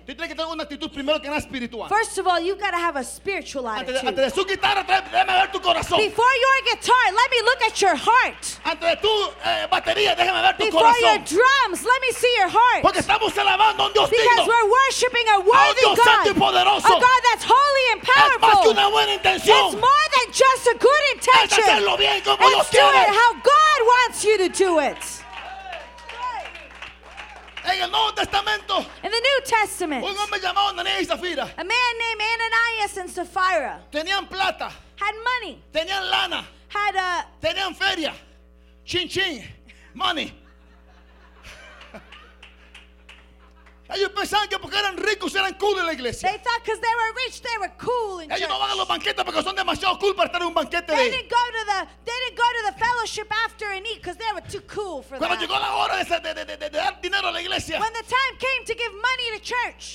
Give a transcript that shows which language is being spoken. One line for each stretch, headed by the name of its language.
Spanish: tiene que tener una actitud primero que nada espiritual.
English: First of all, you've got to have a spiritual attitude.
Spanish: Antes de su guitarra, déjeme ver tu corazón.
English: Before your guitar, let me look at your heart.
Spanish: Antes de tu batería, déjeme ver tu corazón.
English: Before your drums, let me see your heart.
Spanish: Porque estamos alabando a un Dios digno.
English: Because we're worshiping a worthy God.
Spanish: A un Dios santo y poderoso.
English: A God that's holy and powerful.
Spanish: Es más que una buena intención.
English: It's more than just a good intention.
Spanish: Es hacerlo bien como Dios quiere.
English: It's doing how God wants you to do it.
Spanish: En el Nuevo Testamento,
English: in the New Testament,
Spanish: un hombre llamado Ananias y Zafira,
English: a man named Ananias and Sapphira,
Spanish: tenían plata,
English: had money,
Spanish: tenían lana,
English: had a,
Spanish: tenían feria, chin chin, money. Ellos pensaban que porque eran ricos eran cool en la iglesia.
English: They thought because they were rich they were cool in
Spanish: ellos
English: church.
Spanish: No van a los banquetes porque son demasiado cool para estar en un banquete.
English: They didn't go to the fellowship after and eat because they were too cool for
Spanish: cuando
English: that.
Spanish: Llegó la hora de dar dinero a la iglesia.
English: When the time came to give money to church.